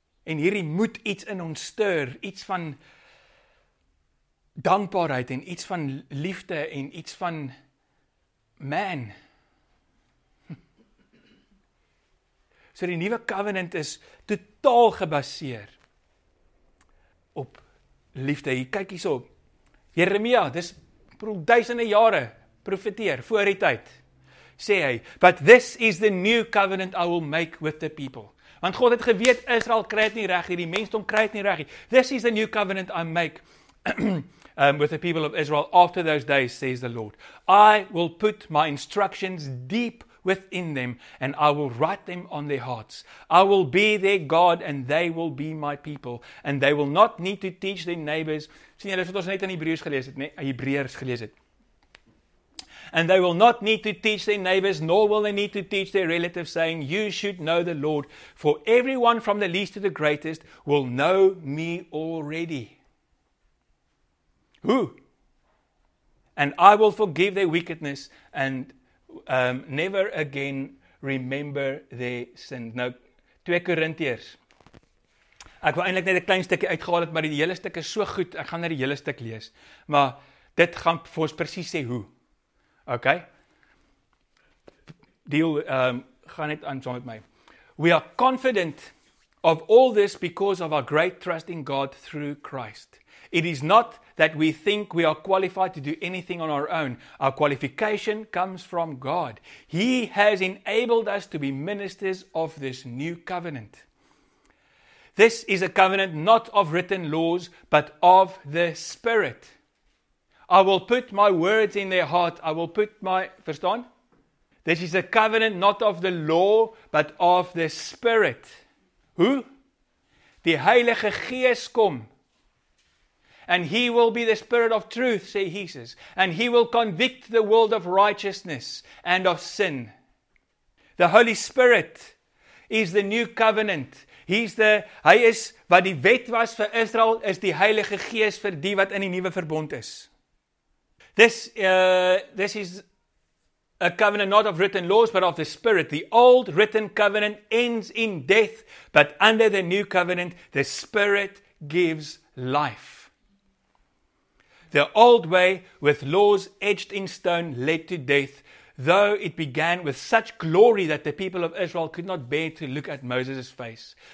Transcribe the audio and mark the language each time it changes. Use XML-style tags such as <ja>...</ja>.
<af>En hierdie moet iets in ons stir, iets van dankbaarheid en iets van liefde en iets van man. So die nuwe covenant is totaal gebaseer op liefde. Hier, kyk hierso. Jeremia, dis duisende jare profeteer voor die tyd. Sê hy,</af> <en>but this is the new covenant I will make with the people.</en> <af>Want God het geweet, Israel kry het nie reg hier, die mensdom kry het nie reg hier.</af> <en>This is the new covenant I make with the people of Israel after those days, says the Lord. I will put my instructions deep within them, and I will write them on their hearts. I will be their God, and they will be my people, and they will not need to teach their neighbors.</en> <af>Sien julle, dit is wat ons net in Hebreërs gelees het, nee, Hebreërs gelees het.</af> <en>And they will not need to teach their neighbors, nor will they need to teach their relatives, saying, you should know the Lord, for everyone from the least to the greatest will know me already. Who? And I will forgive their wickedness, and never again remember their sin.</en> <af>Nou, 2 Korintiërs. Ek wil eintlik net 'n klein stukkie uitgehaal het, maar die hele stuk is so goed, ek gaan net die hele stuk lees. Maar dit gaan vir ons presies sê hoe. OK? Deel, gaan net aan saam met my.</af> <en>We are confident of all this because of our great trust in God through Christ. It is not that we think we are qualified to do anything on our own. Our qualification comes from God. He has enabled us to be ministers of this new covenant. This is a covenant not of written laws, but of the Spirit. I will put my words in their heart. I will put my... Verstaan? This is a covenant not of the law, but of the Spirit. Who?</en> <af>Die Heilige Gees kom.</af> <en>And he will be the Spirit of truth, say Jesus. And he will convict the world of righteousness and of sin. The Holy Spirit is the new covenant.</en> <af>Hy is, wat die wet was vir Israel, is die Heilige Gees vir die wat in die nuwe verbond is.</af> <en>This is a covenant not of written laws, but of the Spirit. The old written covenant ends in death, but under the new covenant, the Spirit gives life. The old way with laws etched in stone led to death, though it began with such glory that the people of Israel could not bear to look at Moses' face.</en>